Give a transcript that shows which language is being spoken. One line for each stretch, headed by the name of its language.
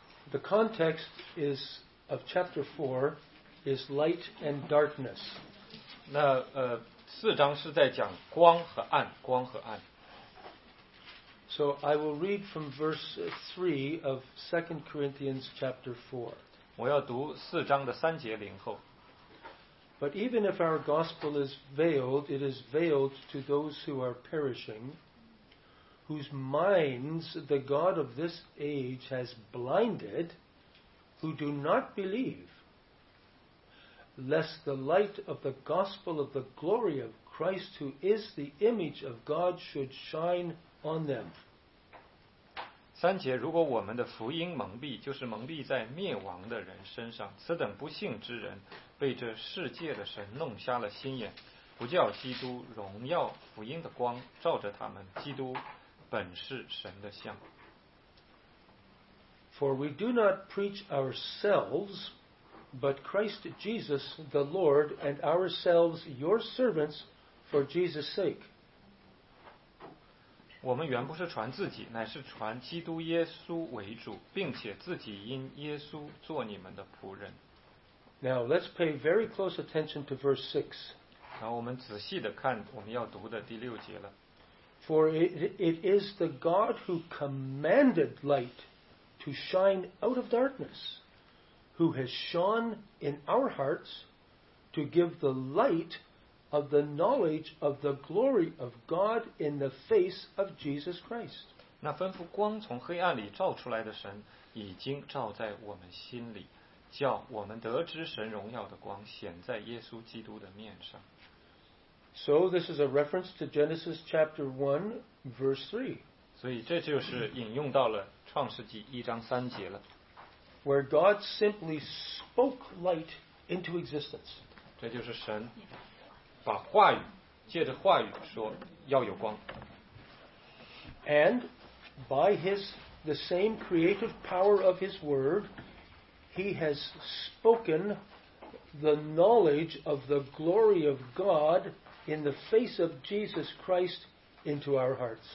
English: The context is of chapter 4 is light and darkness.
Chinese: 那四章是在讲光和暗，光和暗。
English: So I will read from verse 3 of 2 Corinthians chapter 4.
Chinese: 我要读四章的三节零后。
English: But even if our gospel is veiled, it is veiled to those who are perishing, whose minds the God of this age has blinded, who do not believe, lest the light of the gospel of the glory of Christ, who is the image of God, should shine on them.
Chinese: 三节，如果我们的福音蒙蔽，就是蒙蔽在灭亡的人身上，此等不幸之人被这世界的神弄瞎了心眼，不叫基督荣耀福音的光照着他们，基督本是神的像。
English: For we do not preach ourselves, but Christ Jesus the Lord, and ourselves your servants for Jesus' sake.
Chinese: 我们原不是传自己，乃是传基督耶稣为主，并且自己因耶稣做你们的仆人。
English: Now let's pay very close attention to verse 6.
Chinese: 然后我们仔细地看我们要读的第六节了。
English: For it is the God who commanded light to shine out of darkness, who has shone in our hearts to give the light of the knowledge of the glory of God in the face of Jesus Christ.
Chinese: 那吩咐光从黑暗里照出来的神已经照在我们心里，叫我们得知神荣耀的光显在耶稣基督的面上。
English: So this is a reference to Genesis chapter 1, verse 3.
Chinese: 所以这就是引用到了创世纪一章三节了。
English: Where God simply spoke light into existence.
Chinese: 这就是神把话语，借着话语说要有光。
English: And by the same creative power of his word, he has spoken the knowledge of the glory of God in the face of Jesus Christ into our hearts.